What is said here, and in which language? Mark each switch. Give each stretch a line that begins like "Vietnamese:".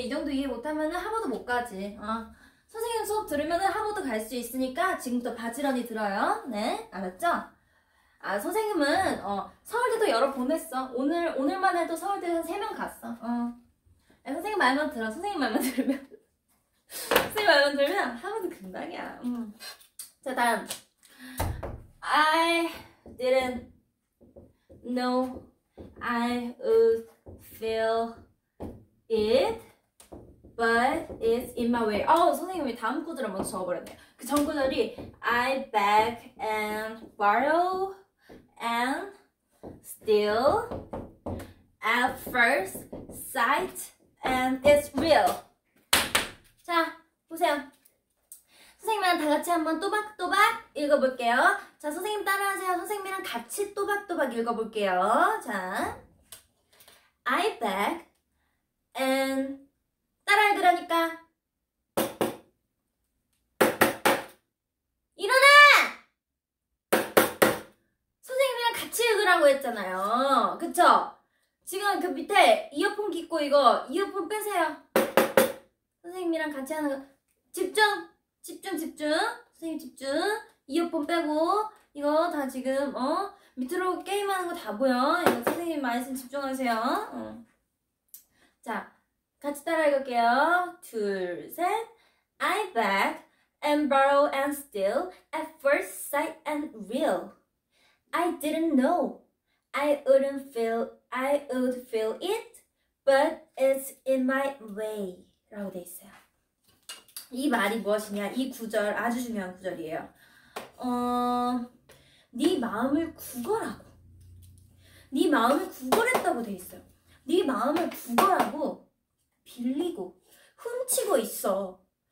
Korean: 이 정도 이해 못하면은 하버드 못 가지. 선생님 수업 들으면은 하버드 갈 수 있으니까 지금부터 바지런히 들어요. 네, 알았죠? 아, 선생님은, 서울대도 여러 보냈어. 오늘만 해도 서울대 한 3명 갔어. 아, 선생님 말만 들어. 선생님 말만 들으면. 선생님 말만 들으면 하버드 금방이야. 자, 다음.
English: I didn't know I would feel it, but it's in my way.
Korean: 선생님이 다음 구절을 먼저 적어버렸네요. 그 전 구절이
English: I beg and borrow and steal at first sight and it's real.
Korean: 자, 보세요. 선생님이랑 다 같이 한번 또박또박 읽어볼게요. 자, 선생님 따라하세요. 선생님이랑 같이 또박또박 읽어볼게요. 자,
English: I beg and
Korean: 따라해. 그러니까 일어나! 선생님이랑 같이 읽으라고 했잖아요. 그쵸? 지금 그 밑에 이어폰 끼고 이거 이어폰 빼세요. 선생님이랑 같이 하는 거 집중! 집중 집중! 선생님 집중! 이어폰 빼고 이거 다 지금 밑으로 게임하는 거 다 보여. 이거 선생님 말씀 집중하세요. 자, 같이 따라 읽을게요. 둘, 셋.
English: I beg and borrow and steal at first sight and real. I didn't know I would feel it, but it's in my way.
Korean: 라고 돼 있어요. 이 말이 무엇이냐? 이 구절 아주 중요한 구절이에요. 네 마음을 구걸하고. 네 마음을 구걸했다고 돼 있어요. 네 마음을 구걸하고 빌리고 훔치고 있어.